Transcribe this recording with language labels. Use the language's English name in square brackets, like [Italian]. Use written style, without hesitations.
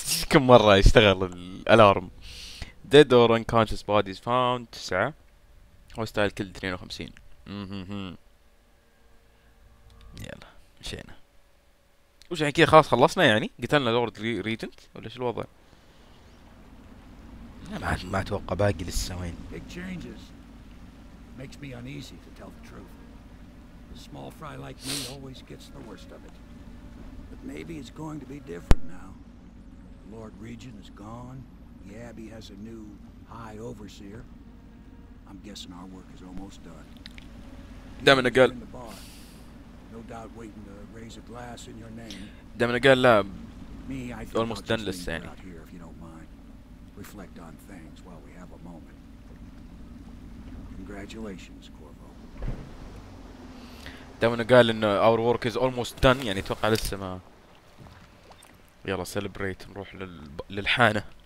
[Arabic] كم مرة يشتغل الالارم. [English] Dead or unconscious bodies found 9. [Arabic] هوستايل كل 52. يلا مشينا. وش يعني كذا خلاص خلصنا يعني؟ قتلنا لورد ريجنت ولا شو الوضع؟ ما اتوقع باقي لسه وين. [English] Big changes makes me uneasy to tell the truth. A small fry like me always gets the worst of it. But maybe it's going to be different now. The Lord Regent is gone. The Abbey has a new high overseer. I'm guessing our work is almost done. Damn it, girl. No doubt waiting to raise a glass in your name. Damn it, girl. Me, I think almost done this thing out here, if you don't mind. Reflect on things while we have a moment. Congratulations, Corvo. [Arabic] دامنا قال إنه [English] our work is almost done [Arabic] يعني توقع لسه ما. يلا celebrate نروح للحانة.